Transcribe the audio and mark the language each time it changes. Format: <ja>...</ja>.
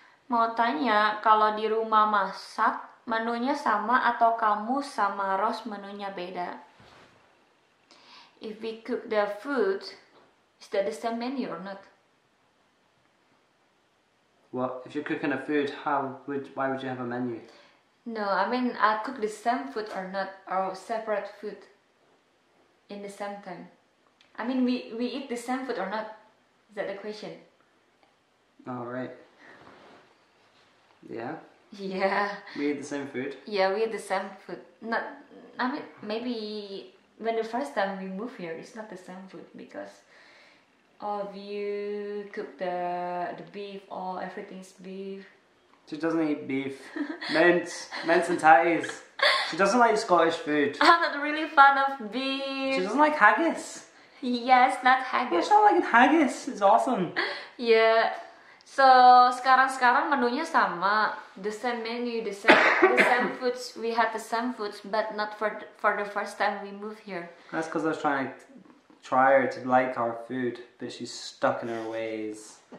<id>Mau tanya, kalau di rumah masak, menunya sama atau kamu sama Ros menunya beda?</id> <en>If we cook the food, is that the same menu or not? Well, if you're cooking the food, why would you have a menu? No, I mean, I cook the same food or not, or separate food in the same time. I mean, we eat the same food or not? Is that the question? All right. Yeah. Yeah. We eat the same food. Yeah, we eat the same food. Not, I mean, maybe when the first time we move here, it's not the same food because all of you cook the beef, or everything's beef. She doesn't eat beef. Mince and tatties. She doesn't like Scottish food. I'm not really fond of beef. She doesn't like haggis. Yes, not haggis. Yeah, she's not liking haggis. It's awesome. Yeah.</en> <id>So, sekarang-sekarang menunya sama.</id> <en>The same menu, the same foods. We had the same foods, but not for the first time we moved here. That's because I was trying to try her to like our food, but she's stuck in her ways.</en>